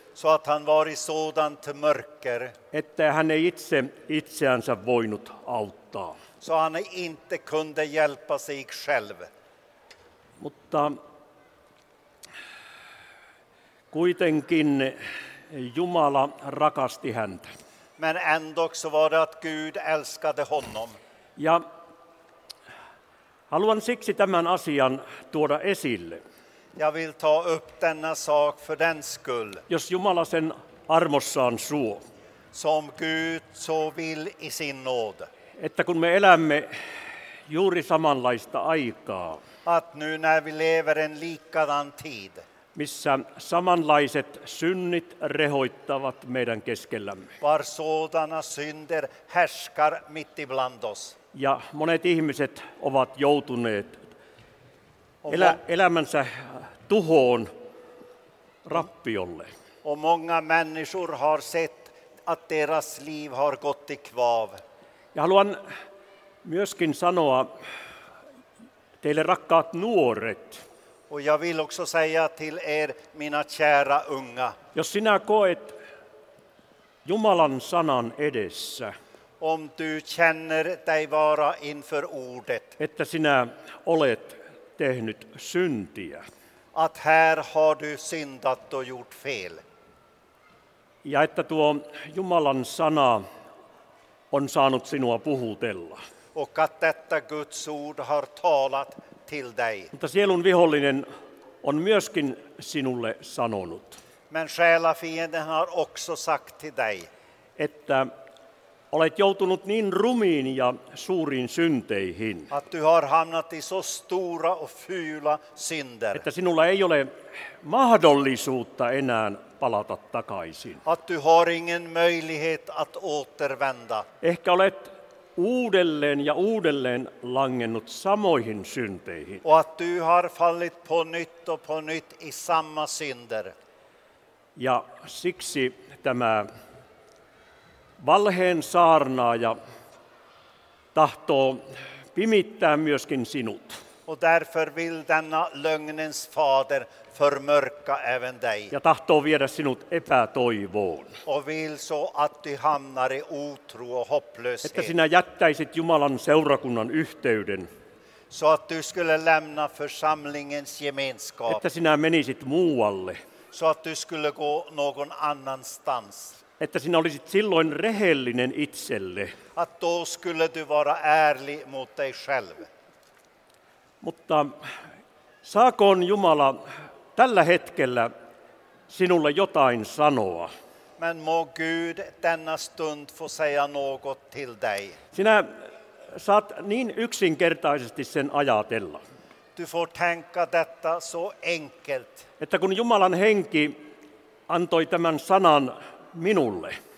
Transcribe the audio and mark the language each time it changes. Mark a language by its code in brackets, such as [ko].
[sv] Så att han var i sådant mörker. [fi] Että hän ei itse itseänsä voinut auttaa. [sv] Så han inte kunde hjälpa sig själv. [fi] Mutta kuitenkin Jumala rakasti häntä. [sv] Men ändå så var det att Gud älskade honom. [fi] Ja haluan siksi tämän asian tuoda esille. [sv] Jag vill ta upp denna sak för den skull. [fi] Jos Jumala sen armossaan suo. [sv] Som Gud så vill i sin nåd. [fi] Että kun me elämme juuri samanlaista aikaa. [sv] Att nu när vi lever en likadan tid. [fi] missä samanlaiset synnit rehoittavat meidän keskellämme. [sv] Var sådana synder härskar mitt ibland oss. [fi] Ja monet ihmiset ovat joutuneet elämänsä tuhoon rappiolle. [sv] Och många människor har sett att deras liv har gått i kvav. [fi] Ja haluan myöskin sanoa teille rakkaat nuoret. [sv] Och jag vill också säga till er mina kära unga. [fi] Jos sinä koet Jumalan sanan edessä. [sv] Om du känner dig vara inför ordet. [fi] Että sinä olet tehnyt syntiä. [sv] Att här har du syndat och gjort fel. [fi] Ja että tuo Jumalan sana on saanut sinua puhutella. [sv] Och att detta Guds ord har talat till dig. [fi] Mutta sielun vihollinen on myöskin sinulle sanonut. [sv] Men själafienden har också sagt till dig. [fi] Että olet joutunut niin rumiin ja suuriin synteihin. [sv] Att du har hamnat i så stora och fula synder. [fi] Että sinulla ei ole mahdollisuutta enää palata takaisin. [sv] Att du har ingen möjlighet att återvända. [fi] Ehkä olet uudelleen ja uudelleen langennut samoihin synteihin. [sv] Och att du har fallit på nytt i samma synder. [fi] Ja siksi tämä valheen saarnaaja tahtoo pimittää myöskin sinut. [sv] Och därför vill denna lögnens fader förmörka även dig. [fi] Ja tahtoo viedä sinut epätoivoon. [sv] Och vill så att du hamnar i otro och hopplöshet. [fi] Että sinä jättäisit Jumalan seurakunnan yhteyden. [sv] Så att du skulle lämna församlingens gemenskap. [fi] Että sinä menisit muualle. [sv] Så att du skulle gå någon annanstans. [fi] Että sinä olisit silloin rehellinen itselle. [sv] Att då skulle du vara ärlig mot dig själv. [fi] Mutta saakoon Jumala tällä hetkellä sinulle jotain sanoa? [sv] Men må Gud denna stund få säga något till dig. [fi] Sinä saat niin yksinkertaisesti sen ajatella. [sv] Du får tänka detta så enkelt. [fi] Että kun Jumalan henki antoi tämän sanan minulle.